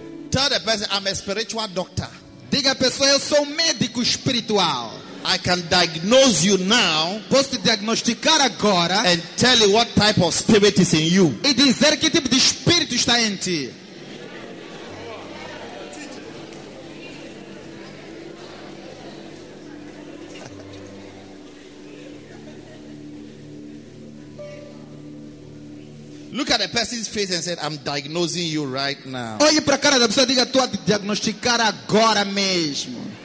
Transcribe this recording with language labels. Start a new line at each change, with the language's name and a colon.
English: Tell the person, I'm a spiritual doctor.
Portuguese: Diga a pessoa, eu sou médico espiritual.
English: I can diagnose you now.
Portuguese: Posso te diagnosticar agora.
English: And tell you what type of spirit is in you.
Portuguese: E dizer que tipo de espírito está em ti.
English: Look at the person's face and said, I'm diagnosing you right now.
Portuguese: Olhe para a cara da pessoa e diga, estou a te diagnosticar agora mesmo.